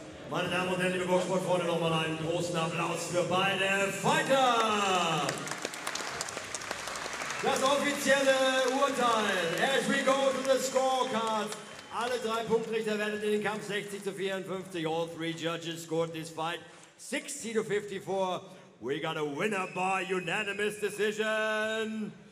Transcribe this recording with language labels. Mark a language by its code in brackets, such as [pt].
[de] Meine Damen und Herren, liebe Boxsportfreunde, nochmal einen großen Applaus für beide Fighter. Das offizielle Urteil. [en] As we go to the scorecard. [de] Alle drei Punktrichter werden in den Kampf 60 zu 54. [en] All three judges scored this fight 60 to 54. We got a winner by unanimous decision.